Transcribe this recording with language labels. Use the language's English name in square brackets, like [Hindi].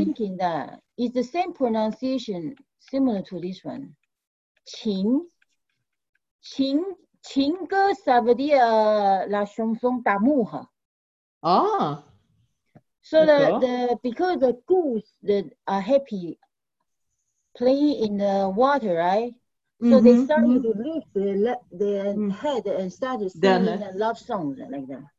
[English] I'm thinking that it's the same pronunciation, similar to this one. Chin. [French] Qing, qing ge, ça veut dire la chanson d'amour. Ah. [English] So the because the goose that are happy playing in the water, right? Mm-hmm. So they started to lift their head and started singing love songs like that.